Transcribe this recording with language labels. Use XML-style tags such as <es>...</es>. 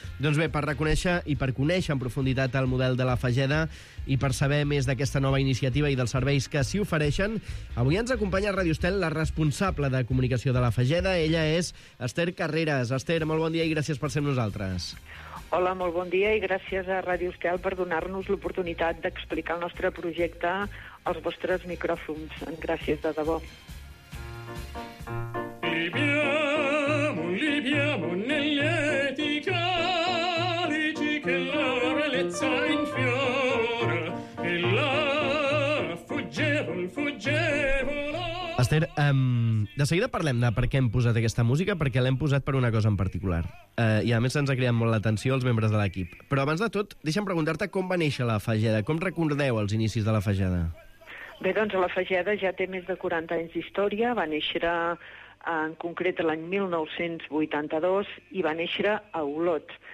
<ca>Doncs bé, per reconèixer i per conèixer en profunditat el model de la Fageda i per saber més d'aquesta nova iniciativa i dels serveis que s'hi ofereixen, avui ens acompanya a Ràdio Estel la responsable de comunicació de la Fageda. Ella és Esther Carreras. Esther, molt bon dia i gràcies per ser amb nosaltres. Hola, molt bon dia i gràcies a Ràdio Estel per donar-nos l'oportunitat d'explicar el nostre projecte als vostres micròfons. Gràcies de debò.</ca> <it>Viviamo, viviamo nell'etica, dici che la bellezza in fiora e la fuggevole, fuggevole.</it> <ca>Esther, de seguida parlem de per què hem posat aquesta música, perquè l'hem posat per una cosa en particular. I a més se'ns ha creat molt l'atenció als membres de l'equip. Però abans de tot, deixa'm preguntar-te com va néixer la Fageda. Com recordeu els inicis de la Fageda? Bé, doncs la Fageda ja té més de 40 anys d'història. Va néixer en concret l'any 1982 i va néixer a Olot.</ca>